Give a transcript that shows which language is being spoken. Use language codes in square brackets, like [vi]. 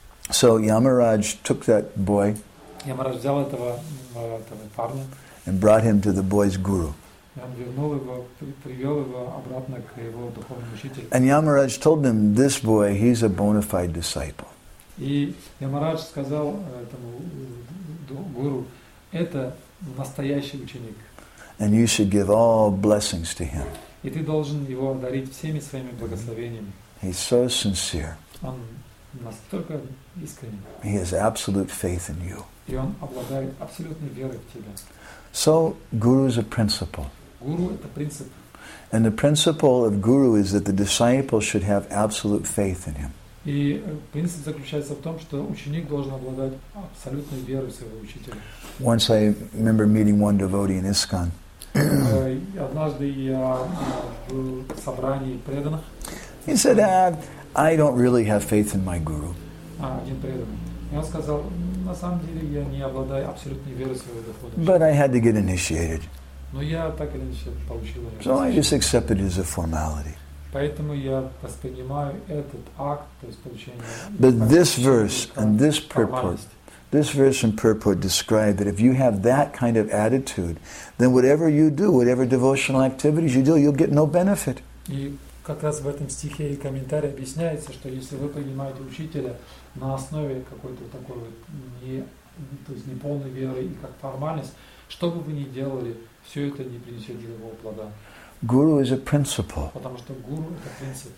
[en] So Yamaraj took that boy and brought him to the boy's guru. And Yamaraj told him, "This boy, he's a bona fide disciple." [ru] И Ямарадж сказал этому гуру, это настоящий ученик. [en] And you should give all blessings to him. [ru] И ты должен его одарить всеми своими благословениями. [en] He's so sincere. [ru] Он настолько искренен. [en] He has absolute faith in you. [ru] И он обладает абсолютной верой в тебя. [en] So, guru is a principle. [ru] Гуру это принцип. [en] And the principle of guru is that the disciple should have absolute faith in him. [ru] И принцип заключается в том, что ученик должен обладать абсолютной верой своего учителя. [en] Once I remember meeting one devotee in ISKCON. [ru] Однажды я был в собрании преданных. [en] He said, "I don't really have faith in my guru." [ru] Один преданный. Он сказал, на самом деле я не обладаю абсолютной верой своего духовного. [en] But I had to get initiated. [ru] Но я так или иначе получил. [en] So I just accepted it as a formality. [ru] Поэтому я воспринимаю этот акт, то есть получение. [en] But this verse and this purport, this verse and purport describe that if you have that kind of attitude, then whatever you do, whatever devotional activities you do, you'll get no benefit. [ru] И как раз в этом стихе и комментарии объясняется, что если вы принимаете учителя на основе какой-то такой вот неполной веры и как формальность, что бы вы ни делали, все это не принесет никакого плода. [en] Guru is a principle. [ru] Потому что гуру это принцип.